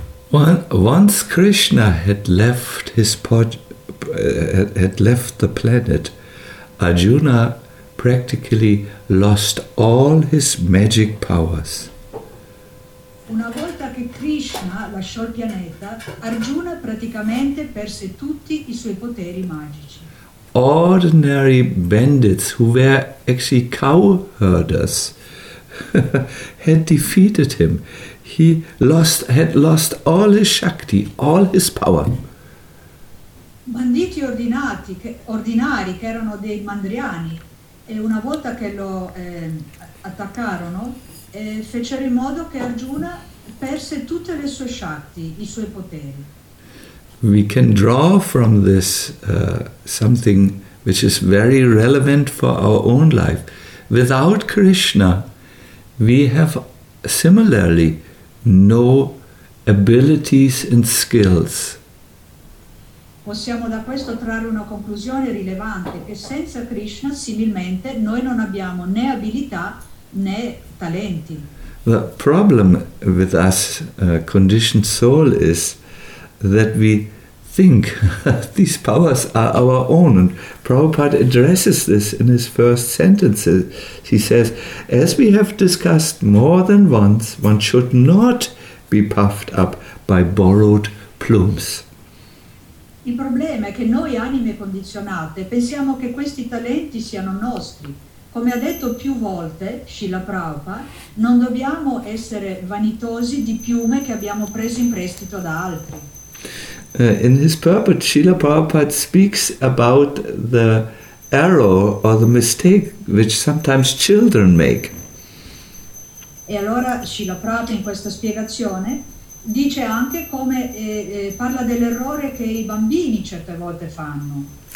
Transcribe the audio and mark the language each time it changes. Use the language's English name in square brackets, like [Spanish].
[English] Once Krishna had left his had left the planet, Arjuna practically lost all his magic powers. [Italian] Una volta che Krishna lasciò il pianeta, Arjuna praticamente perse tutti i suoi poteri magici. [English] Ordinary bandits who were actually cowherders had defeated him. He had lost all his shakti, all his power. [Italian] Banditi ordinari che erano dei mandriani, e una volta che lo attaccarono, fecero in modo che Arjuna perse tutte le sue shakti, i suoi poteri. [English] We can draw from this something which is very relevant for our own life. Without Krishna, we have similarly no abilities and skills. [Italian] Possiamo da questo trarre una conclusione rilevante, che senza Krishna similmente noi non abbiamo né abilità né talenti. [English] The problem with us conditioned soul is that we think these powers are our own, and Prabhupada addresses this in his first sentences. He says, as we have discussed more than once, one should not be puffed up by borrowed plumes. [Italian] Il problema è che noi anime condizionate pensiamo che questi talenti siano nostri. Come ha detto più volte Srila Prabhupada, non dobbiamo essere vanitosi di piume che abbiamo preso in prestito da altri. [English] In his purport, Srila Prabhupada speaks about the error or the mistake which sometimes children make. [Italian] E allora Srila Prabhupada in questa spiegazione dice anche come parla dell'errore che i bambini certe volte fanno.